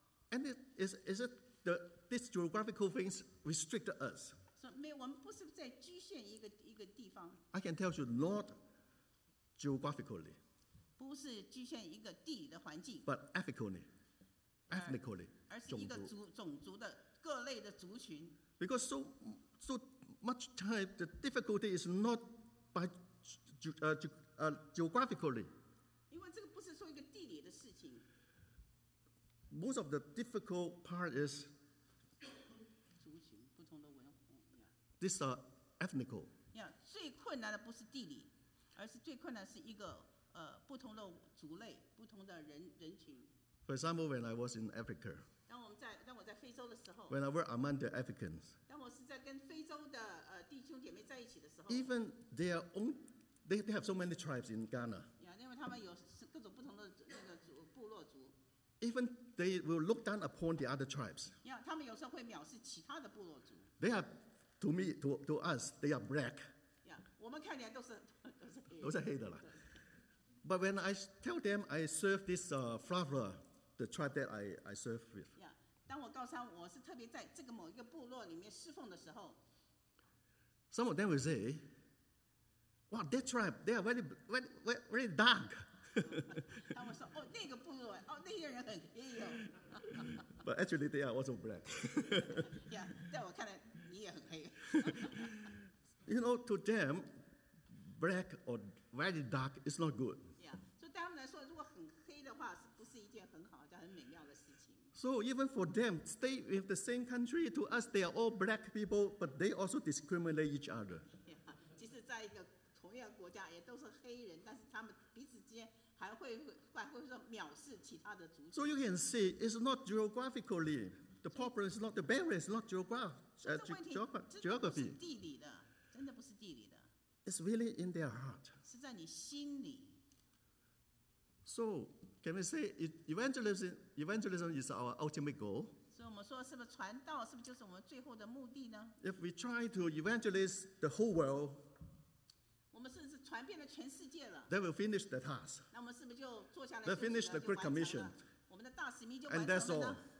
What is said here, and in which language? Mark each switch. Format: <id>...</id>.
<en>And is it these geographical things restrict us?</en> <zh>So, 没有，我们不是在局限一个地方。</zh> <en>I can tell you not geographically.</en> <zh>不是局限一个地理的环境</zh> <en>，but ethnically，</en> <zh>而是一个种族的各类的族群。</zh> <en>Because so much time, the difficulty is not by geographically。</en> <zh>因为这个不是说一个地理的事情。</zh> <en>Most of the difficult part is</en> <zh>族群不同的文化。</zh> <en>These are ethnical。</en> <zh>Yeah， 最困难的不是地理，而是最困难是一个。不同的族类，不同的人群。</zh> <en>For example, when I was in Africa,</en> <zh>当我在非洲的时候</zh> <en>，when I were among the Africans,</en> <zh>当我是在跟非洲的弟兄姐妹在一起的时候</zh> <en>，even their own, they have so many tribes in Ghana.</en> <zh>Yeah, 因为他们有各种不同的那个部落族。</zh> <en>Even they will look down upon the other tribes.</en> <zh>Yeah, 他们有时候会藐视其他的部落族。</zh> <en>They are, to us, they are black.</en> <zh>Yeah, 我们看起来都是黑的。都是黑的了。</zh> <en>But when I tell them I serve this Flavra, the tribe that I serve with.</en> <zh>Yeah, 当我告诉他我是特别在这个某一个部落里面侍奉的时候</zh> <en>，some of them will say, "Wow, that tribe, they are very, very, very, very dark."</en> <zh>他们说哦，那个部落哦，那些人很黑哦。</zh> <en>But actually, they are also black.</en> <zh>Yeah, 在我看来，你也很黑。</zh> <en>You know, to them. Black or very dark is not good.</en> <zh>Yeah, 所以对他们来说，如果很黑的话，是不是一件很好、很美妙的事情</zh> <en>？So even for them, stay in the same country. To us, they are all black people, but they also discriminate each other.</en> <zh>Yeah, 即使在一个同样国家，也都是黑人，但是他们彼此间还会说藐视其他的族群。</zh> <en>So you can see, it's not geographically the problem. Is not the barrier. Is not geography.</en> <zh>这不是地理的，真的不是地理的。</zh> <en>It's really in their heart.</en> <zh>是在你心里。</zh> <en>So, can we say evangelism is our ultimate goal?</en> <zh>所以我们说，是不是传道，是不是就是我们最后的目的呢？</zh> <en>If we try to evangelize the whole world,</en> <zh>我们甚至传遍了全世界了。</zh> <en>Then we'll finish the task.</en> <zh>那我们是不是就坐下来？</zh> <en>We'll finish the Great Commission.</en> <zh>我们的大使命就完成了呢？</zh>